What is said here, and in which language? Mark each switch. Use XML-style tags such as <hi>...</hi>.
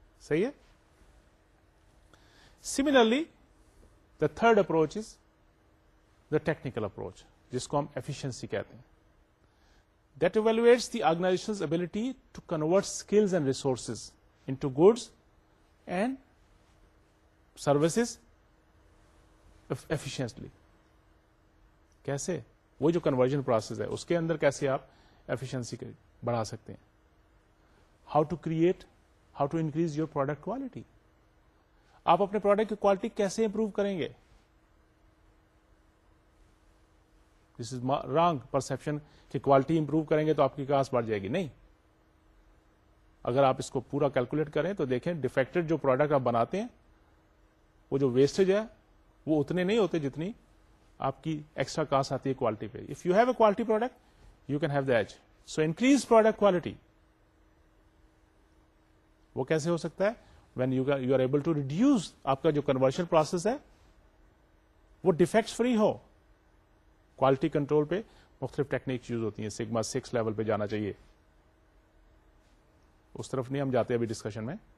<en>Say it. Similarly, the third approach is the technical approach,</en> <ur>jisko hum efficiency kehte hain.</ur> <en>That evaluates the organization's ability to convert skills and resources into goods and services efficiently.</en> <ur>کیسے وہ جو conversion process ہے اس کے اندر کیسے آپ efficiency بڑھا سکتے ہیں,</ur> <en>how to create, how to increase your product quality,</en> <ur>آپ اپنے product کی quality کیسے improve کریں گے.</ur> <en>This is wrong perception</en> <ur>کہ quality improve کریں گے تو آپ کی cost بڑھ جائے گی, نہیں. اگر آپ اس کو پورا calculate کریں تو دیکھیں defective جو product آپ بناتے ہیں وہ جو wastage ہے وہ اتنے نہیں ہوتے جتنی آپ کی ایکسٹرا کاسٹ آتی ہے کوالٹی پہ.</ur> <en>If you have a quality product you can have the edge, so increase product quality.</en> <ur>وہ کیسے ہو سکتا ہے,</ur> <en>when you are able to reduce</en> <ur>آپ کا جو کنورشن پروسیس ہے وہ ڈیفیکٹس فری ہو. کوالٹی کنٹرول پہ مختلف ٹیکنیکس یوز ہوتی ہیں, سگما سکس لیول پہ جانا چاہیے, اس طرف نہیں ہم جاتے ابھی ڈسکشن میں.</ur>